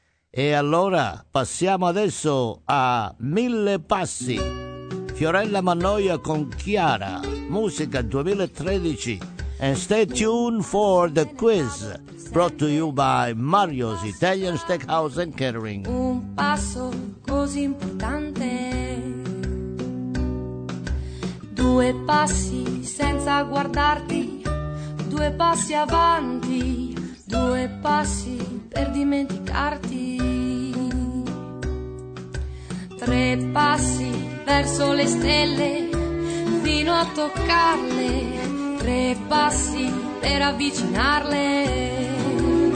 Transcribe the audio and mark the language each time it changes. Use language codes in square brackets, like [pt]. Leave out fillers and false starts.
[it] E allora passiamo adesso a Mille Passi, Fiorella Mannoia con Chiara, musica 2013. [en] And stay tuned for the quiz brought to you by Mario's Italian Steakhouse and Catering. [it] Un passo così importante, due passi senza guardarti, due passi avanti, due passi per dimenticarti, tre passi verso le stelle fino a toccarle, tre passi per avvicinarle.